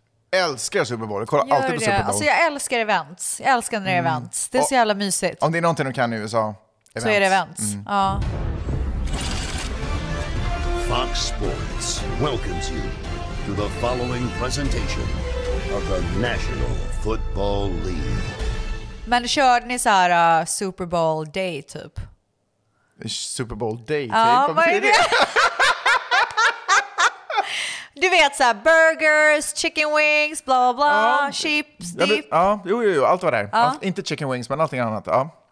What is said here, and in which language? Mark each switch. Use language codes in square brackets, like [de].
[sv] Älskar Super Bowl. Jag kollar alltid på Super Bowl. Alltså jag älskar events. Jag älskar när det är events. Det är så jävla mysigt. Om det är någonting de kan i USA, events. Så är det events. Mm. Ja. [en] Fox Sports welcomes you to the following presentation of the National Football League. [sv] Men körde ni så här Super Bowl day typ? Super Bowl day? Ja, vad är det? Du vet så här, burgers, chicken wings, bla bla bla, chips, dip. Ja, jo, allt var där. Ja. Inte chicken wings, men allting annat. Ja.